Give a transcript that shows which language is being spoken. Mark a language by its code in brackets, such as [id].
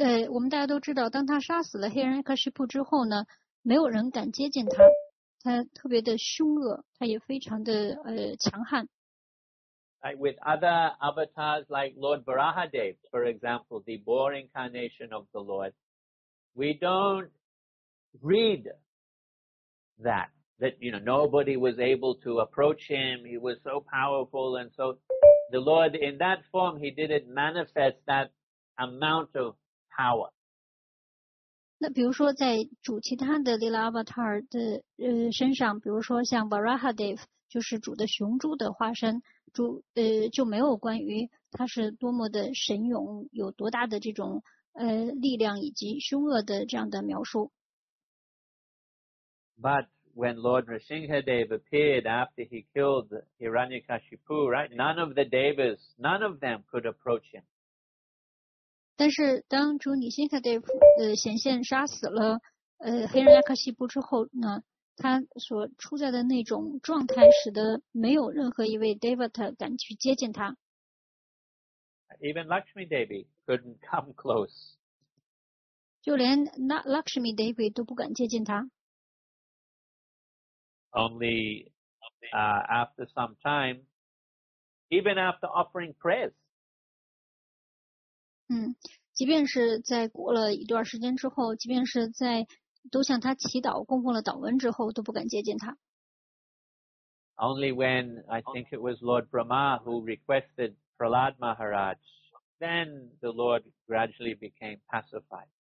[zh] 我们大家都知道，当他杀死了黑人克什普之后呢，没有人敢接近他。他特别的凶恶，他也非常的强悍。 [en] Like with other avatars like Lord Varahadev, for example, the boar incarnation of the Lord, we don't read that. That you know, nobody was able to approach him. He was so powerful, and so the Lord, in that form, he didn't manifest that amount of power. [zh] 那比如说在主其他的 Lila Avatar 的身上，比如说像 Varahadev 就是主的雄猪的化身，主就没有关于他是多么的神勇，有多大的这种力量以及凶恶的这样的描述。 [en] But when Lord Nrisimhadev appeared after he killed Hiranyakashipu, right? None of the devas, none of them could approach him. [zh] 但是当主女辛卡德显现杀死了黑人亚克西布之后呢，他所处在的那种状态使得没有任何一位 devata 敢去接近他。 [en] Even Lakshmi Devi couldn't come close. [zh] 就连 Lakshmi Devi 都不敢接近他。 [en] Only after some time, even after offering prayers. [zh] 即便是在过了一段时间之后，即便是在都向他祈祷、供奉了祷文之后，都不敢接近他。 [en] Only when I think it was Lord Brahma who requested Prahlad Maharaj, then the Lord gradually became pacified.